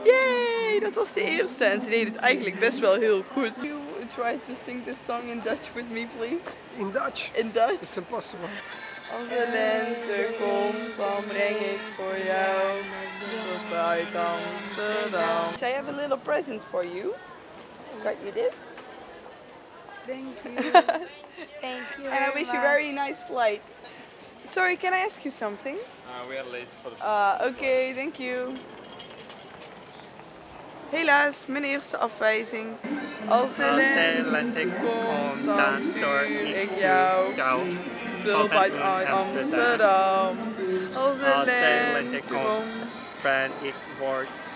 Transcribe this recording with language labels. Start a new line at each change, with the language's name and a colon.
Dutch: Yay, dat was de eerste en ze deed het eigenlijk best wel heel goed.
English: Can you try to sing this song in Dutch with me, please? In Dutch? In Dutch? It's impossible.
Dutch: Als de lente komt, dan breng ik voor jou mijn tulpen uit Amsterdam.
English: So I have a little present for you. Got you this. Thank you. Thank you. And I wish you a very nice flight. Sorry, can I ask you something? We are late for the flight. Okay, thank you.
Dutch: Helaas, mijn eerste afwijzing. Als de lente komt, dan stuur ik jou. Tulpen uit Amsterdam. Als de lente komt, ben ik voor